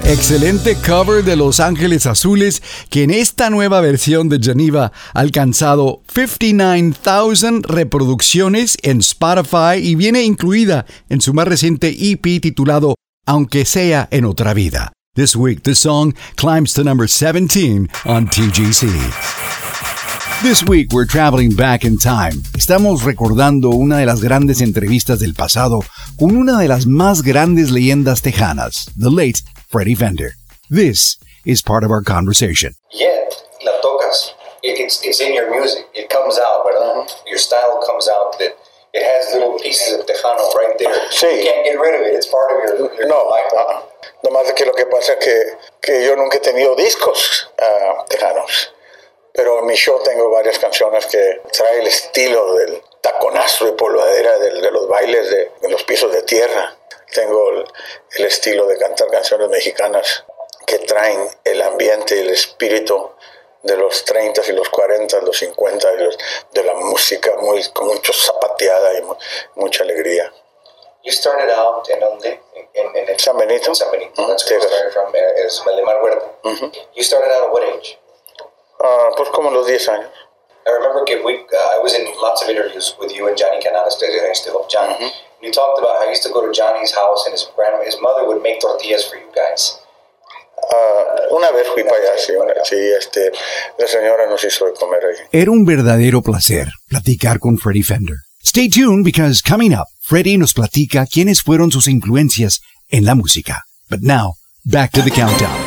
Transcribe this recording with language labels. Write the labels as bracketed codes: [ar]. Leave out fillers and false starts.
[es] Excelente cover de Los Ángeles Azules, que en esta nueva versión de Geneva ha alcanzado 59,000 reproducciones en Spotify y viene incluida en su más reciente EP titulado Aunque Sea en Otra Vida. [en] This week, the song climbs to number 17 on TGC. This week we're traveling back in time. [es] Estamos recordando una de las grandes entrevistas del pasado con una de las más grandes leyendas tejanas, [en] the late [es] Freddy Fender. [en] This is part of our conversation. Yeah, [es] la tocas. [en] It's in your music. It comes out, [es] ¿verdad? [en] Right? Your style comes out that it has little pieces of tejano right there. [es] Sí. [en] You can't get rid of it. It's part of your no, lifeline. [es] No más que lo que pasa es que yo nunca he tenido discos tejanos. Pero en mi show tengo varias canciones que trae el estilo del taconazo y polvadera de los bailes de los pisos de tierra. Tengo el estilo de cantar canciones mexicanas que traen el ambiente y el espíritu de los 30s y los 40s, los 50s, de la música muy, con mucho zapateada y mucha alegría. [en] You started out in [es] donde? [en] In San Benito. In San Benito. That's where you started from. Es Valdemar Huerta. You started out at what age? [es] Pues como los 10 años. [en] I remember I was in lots of interviews with you and Johnny Canales, I used to help Johnny. Mm-hmm. You talked about how you used to go to Johnny's house and his mother would make tortillas for you guys. [es] Una vez fui para allá, sí, la señora nos hizo de comer ahí. Era un verdadero placer platicar con Freddy Fender. [en] Stay tuned because coming up, [es] Freddy nos platica quiénes fueron sus influencias en la música. [en] But now, back to the countdown.